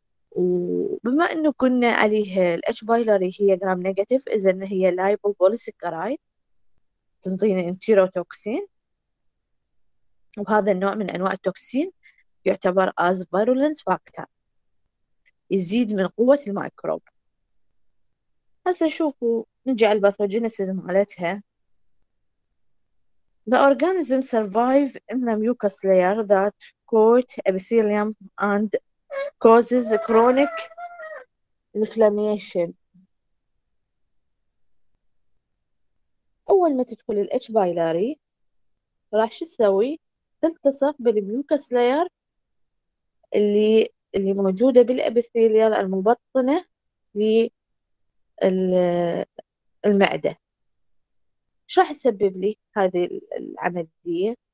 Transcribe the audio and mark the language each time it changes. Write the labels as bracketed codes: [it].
[ar] وبما انه قلنا عليها الاتش بايلوري هي جرام نيجاتيف، اذا هي لايبو بوليسكارايد تنطينا انتيروتوكسين، وهذا النوع من انواع التوكسين يعتبر [en] as virulence factor، [ar] يزيد من قوة الميكروب. هسه شوفوا نجي على الباثوجينيسيس مالتها. [en] The organism survive in the mucus layer that coat epithelium and causes chronic inflammation. [ar] أول ما تدخل ال H. pylori راح شو تسوي؟ تلتصق بالميوكس لاير اللي موجودة بالأبيثيليال المبطنة للمعدة. المعدة شو راح تسبب لي هذه العملية؟